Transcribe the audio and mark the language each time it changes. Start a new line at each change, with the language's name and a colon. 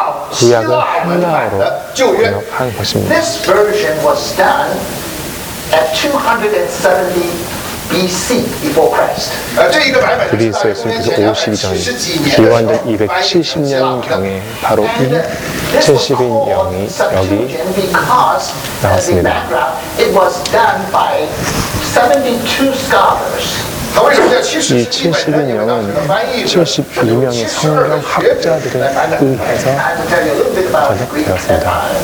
Korean: 구약을 헬라어로 번역한 것입니다.
English: This version was done at 270 BC before Christ.
Korean: 52년 기원전 270년경에 바로 이 70인형이 여기 나왔습니다.
English: It was done by 72 scholars.
Korean: 이 70인형은 72명의 성경 학자들에 의해서 번역되었습니다.